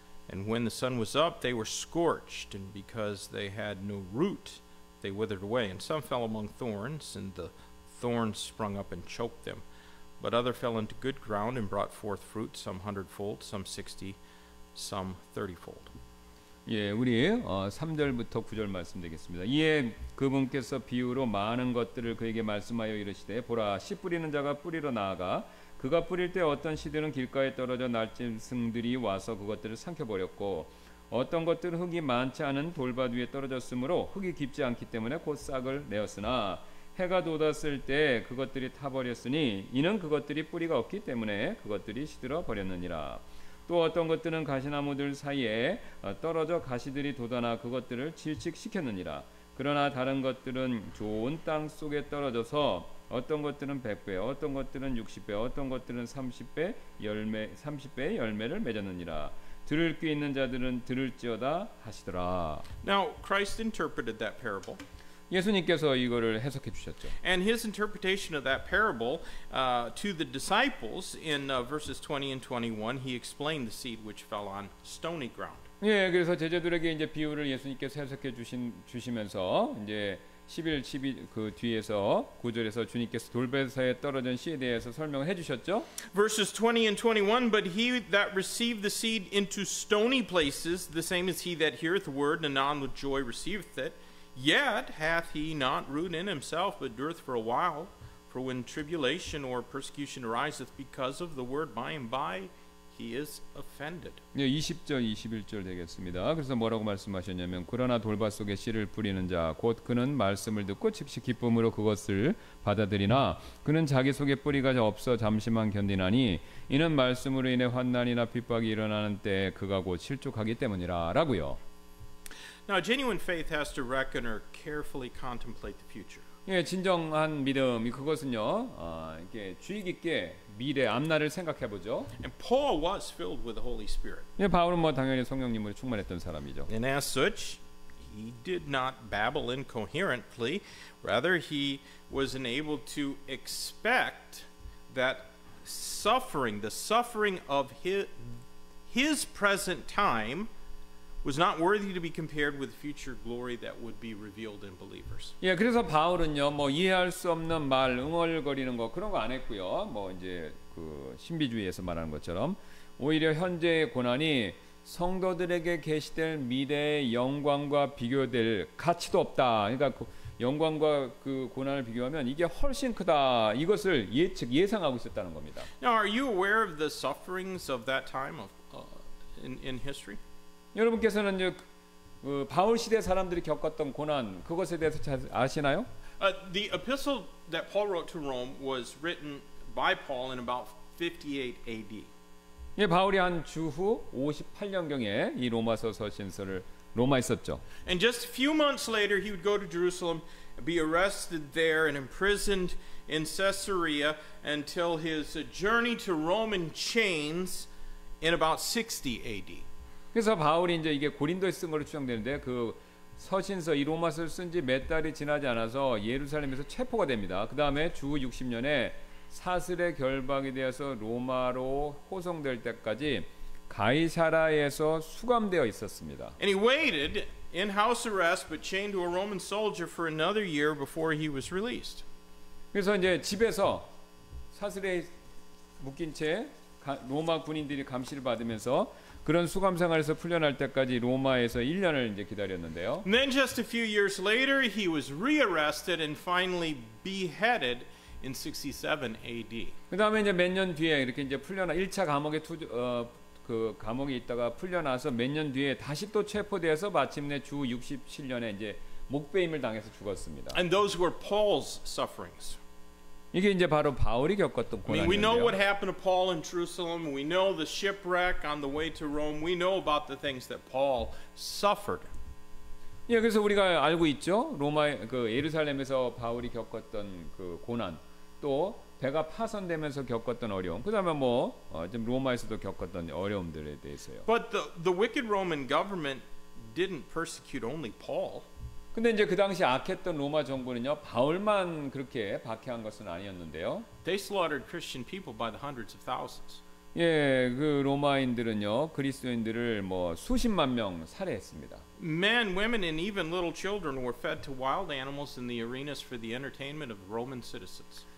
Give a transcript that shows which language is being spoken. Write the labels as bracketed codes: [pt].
[en] And when the sun was up, they were scorched, and because they had no root, they withered away. And some fell among thorns, and the thorns sprung up and choked them. But other fell into good ground and brought forth fruit, some hundredfold, some 60, some 30-fold. [ko] 예, 우리 3절부터 9절 말씀드리겠습니다. 이에 그분께서 비유로 많은 것들을 그에게 말씀하여 이르시되 보라 씨 뿌리는 자가 뿌리러 나아가 그가 뿌릴 때 어떤 씨들은 길가에 떨어져 날짐승들이 와서 그것들을 삼켜 버렸고 어떤 것들은 흙이 많지 않은 돌밭 위에 떨어졌으므로 흙이 깊지 않기 때문에 곧 싹을 내었으나 해가 돋았을 때 그것들이 타버렸으니 이는 그것들이 뿌리가 없기 때문에 그것들이 시들어 버렸느니라. 또 어떤 것들은 가시나무들 사이에 떨어져 가시들이 돋아나 그것들을 질식시켰느니라. 그러나 다른 것들은 좋은 땅 속에 떨어져서 어떤 것들은 100배, 어떤 것들은 60배, 어떤 것들은 30배 열매, 30배의 열매를 맺었느니라. 들을 귀 있는 자들은 들을지어다 하시더라. [en] Now Christ interpreted that parable. [ko] 예수님께서 이거를 해석해 주셨죠. [en] And his interpretation of that parable to the disciples in verses 20 and 21, he explained the seed which fell on stony ground. [ko] 예, 그래서 제자들에게 이제 비유를 예수님께서 해석해 주시면서 이제 11, 12그 뒤에서 9절에서 주님께서 돌밭에 떨어진 씨에 대해서 설명해 주셨죠. [en] Verses 20 and 21, but he that received the seed into stony places, the same is he that heareth the word and anon with joy receiveth it. Yet hath he not root in himself, but dureth for a while. For when tribulation or persecution ariseth because of the word, by and by he is offended. [ko] 네, 20절, 21절 되겠습니다. 그래서 뭐라고 말씀하셨냐면, 그러나 돌밭 속에 씨를 뿌리는 자, 곧 그는 말씀을 듣고 즉시 기쁨으로 그것을 받아들이나, 그는 자기 속에 뿌리가 없어 잠시만 견디나니, 이는 말씀으로 인해 환난이나 핍박이 일어나는 때 그가 곧 실족하기 때문이라 라고요. [en] Now, genuine faith has to reckon or carefully contemplate the future. [ko] 예, 진정한 믿음 그것은요, 이게 주의 깊게 미래 앞날을 생각해 보죠. [en] And Paul was filled with the Holy Spirit. [ko] 예, 바울은 뭐 당연히 성령님으로 충만했던 사람이죠. [en] And as such, he did not babble incoherently. Rather, he was enabled to expect that suffering, the suffering of his present time. Was not worthy to be compared with future glory that would be revealed in believers. [ko] 예, 그래서 바울은요, 뭐 이해할 수 없는 말, 응어리거리는 거 그런 거 안 했고요. 뭐 이제 그 신비주의에서 말하는 것처럼 오히려 현재의 고난이 성도들에게 계시될 미래의 영광과 비교될 가치도 없다. 그러니까 그 영광과 그 고난을 비교하면 이게 훨씬 크다. 이것을 예측 예상하고 있었다는 겁니다. [en] Now, are you aware of the sufferings of that time of in history? [ko] 여러분께서는 이제 바울 시대 사람들이 겪었던 고난 그것에 대해서 잘 아시나요? [en] The epistle that Paul wrote to Rome was written by Paul in about 58 AD. [ko] 예, 바울이 한 주후 58년경에 이 로마서 서신서를 로마에 썼죠. [en] And just a few months later he would go to Jerusalem, be arrested there and imprisoned in Caesarea until his journey to Rome in chains in about 60 AD. [ko] 그래서 바울이 이제 이게 고린도에 쓴 걸로 추정되는데 그 서신서 이 로마서를 쓴 지 몇 달이 지나지 않아서 예루살렘에서 체포가 됩니다. 그 다음에 주후 60년에 사슬의 결박이 되어서 로마로 호송될 때까지 가이사라에서 수감되어 있었습니다. [en] And he waited in house arrest but chained to a Roman soldier for another year before he was released. [ko] 그래서 이제 집에서 사슬에 묶인 채 로마 군인들이 감시를 받으면서 그런 수감 생활에서 풀려날 때까지 로마에서 1년을 이제 기다렸는데요. [en] And then just a few years later he was rearrested and finally beheaded in 67 AD. [ko] 그다음에 이제 몇 년 뒤에 이렇게 이제 풀려나 1차 감옥에 투 어 그 감옥에 있다가 풀려나서 몇 년 뒤에 다시 또 체포돼서 마침내 주 67년에 이제 목베임을 당해서 죽었습니다. [en] And those were Paul's sufferings. [ko] 이게 이제 바로 바울이 겪었던 고난인데요. [en] We know what happened to Paul in Jerusalem. We know the shipwreck on the way to Rome. We know about the things that Paul suffered. [ko] 예, 그래서 우리가 알고 있죠. 로마 그 예루살렘에서 바울이 겪었던 그 고난, 또 배가 파손되면서 겪었던 어려움, 그다음에 뭐 지금 로마에서도 겪었던 어려움들에 대해서요. [en] But the wicked Roman government didn't persecute only Paul. [ko] 근데 이제 그 당시 악했던 로마 정부는요, 바울만 그렇게 박해한 것은 아니었는데요. [en] They slaughtered Christian people by the hundreds of thousands. [ko] 예, 그 로마인들은요, 그리스도인들을 뭐 수십만 명 살해했습니다. [en] Men, women, and even little children were fed to wild animals in the arenas for the entertainment of Roman citizens.